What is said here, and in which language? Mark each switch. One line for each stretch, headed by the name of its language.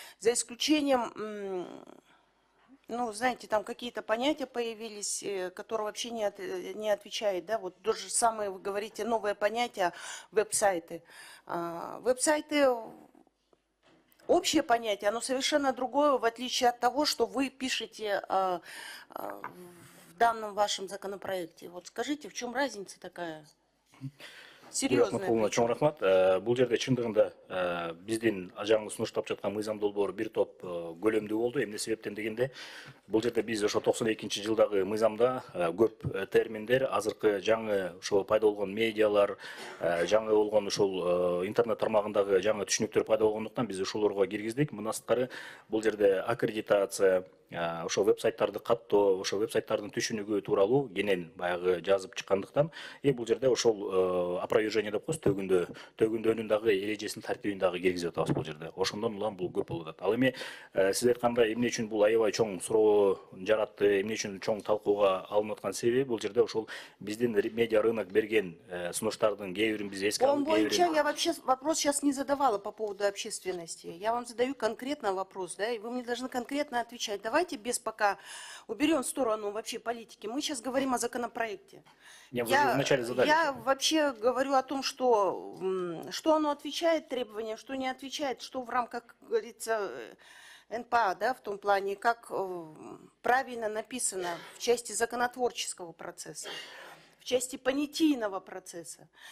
Russian: За исключением, ну, знаете, там какие-то понятия появились, которые вообще не отвечают, да, вот то же самое вы говорите, новое понятие, веб-сайты. Веб-сайты, общее понятие, оно совершенно другое, в отличие от того, что вы пишете в данном вашем законопроекте. Вот скажите, в чем разница такая? Серьезная.
Kyrgyz: Чоң рахмат. Бул жерде чындыгында биздин жаңы сунуштап жаткан мыйзам долбоору бир топ көлөмдүү болду. Эмне себептен дегенде, бул жерде биз ошо 92-ci жылдагы мыйзамда көп терминдер, азыркы жаңы ошо пайда болгон медиалар, жаңы болгон ошол интернет тармагындагы жаңы түшүнүктөр пайда болгондуктан биз ошолорго киргиздик. Мындан сырткары бул жерде аккредитация, ошо вебсайттарды каттоо, ошо вебсайттардын түшүнүгү тууралуу кенен баягы жазып чыккандыктан, бул жерде ошол опровержение деп коюсуз, төгүндөнүн дагы эрежесин тартибин дагы киргизип атабыз бул жерде. Ошондон улам бул көп болот. Ал эми сиз айткандай, эмне үчүн бул аябай чоң суроо жаратты, эмне үчүн чоң талкууга алынып аткан себеби бул жерде ошол биздин медиа рынок берген сунуштардын кээ бирин биз эске алып
Russian: Боюнча я вообще вопрос сейчас не задавала по поводу общественности. Я вам задаю конкретно вопрос, да, и вы мне должны конкретно отвечать. Давайте без пока уберем в сторону вообще политики. Мы сейчас говорим о законопроекте. Я вообще говорю о том, что оно отвечает требованиям, что не отвечает, что в рамках, как говорится, НПА, да, в том плане, как правильно написано в части законотворческого процесса, в части понятийного процесса.